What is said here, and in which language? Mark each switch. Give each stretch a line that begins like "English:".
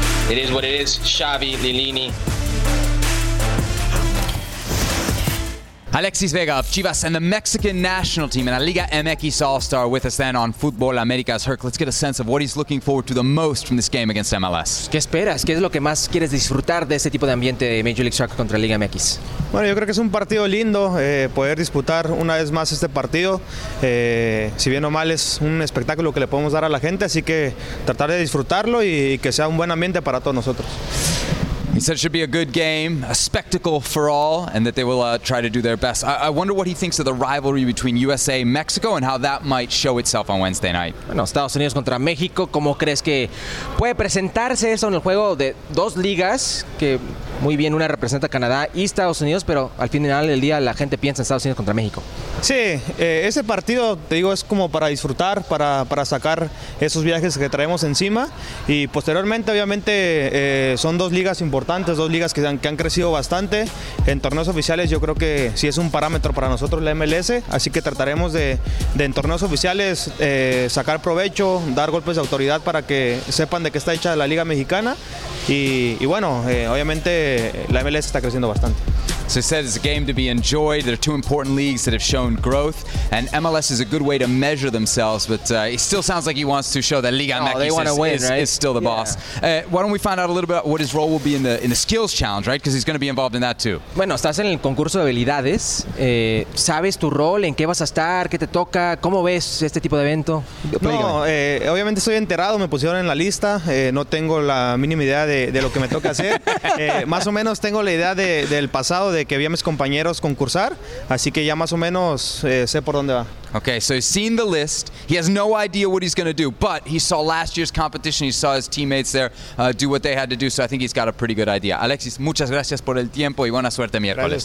English: It is what it is. Xavi, Lilini. Alexis Vega of Chivas and the Mexican national team and a Liga MX All-Star with us then on Futbol America's Herc. Let's get a sense of what he's looking forward to the most from this game against MLS.
Spanish: ¿Qué esperas? ¿Qué es lo que más quieres disfrutar de este tipo de ambiente de Major League Soccer contra Liga MX? Bueno, yo creo que es un partido lindo poder disputar una vez más este partido. Si bien o mal es un espectáculo que le podemos dar a la gente, así que tratar de disfrutarlo y que sea un buen ambiente para todos nosotros.
English: He said it should be a good game, a spectacle for all, and that they will try to do their best. I wonder what he thinks of the rivalry between USA and Mexico and how that might show itself on Wednesday night.
Spanish: Bueno, Estados Unidos contra México, ¿cómo crees que puede presentarse eso en el juego de dos ligas? Que muy bien, una representa Canadá y Estados Unidos, pero al final del día la gente piensa en Estados Unidos contra México. Sí, ese partido, te digo, es como para disfrutar, para sacar esos viajes que traemos encima. Y posteriormente, obviamente, son dos ligas importantes. importantes, dos ligas que han crecido bastante. En torneos oficiales yo creo que sí es un parámetro para nosotros la MLS, así que trataremos de en torneos oficiales sacar provecho, dar golpes de autoridad para que sepan de qué está hecha la Liga Mexicana. Y bueno, obviamente la MLS está creciendo bastante.
English: So he said it's a game to be enjoyed. There are two important leagues that have shown growth, and MLS is a good way to measure themselves, but it still sounds like he wants to show that Liga MX is still the boss. Why don't we find out a little bit what his role will be in the skills challenge, right? Because he's going to be involved in that too.
Spanish: Bueno, estás en el concurso de habilidades. ¿Sabes tu rol? ¿En qué vas a estar? ¿Qué te toca? ¿Cómo ves este tipo de evento? Obviamente estoy enterado. Me pusieron en la lista. No tengo la mínima idea de lo que me toca hacer. Más o menos tengo la idea del pasado, de que vi a mis compañeros concursar, así que ya más o menos sé por dónde va.
English: Okay, so he's seen the list. He has no idea what he's going to do, but he saw last year's competition. He saw his teammates there do what they had to do, so I think he's got a pretty good idea.
Spanish: Alexis, muchas gracias por el tiempo y buena suerte miércoles.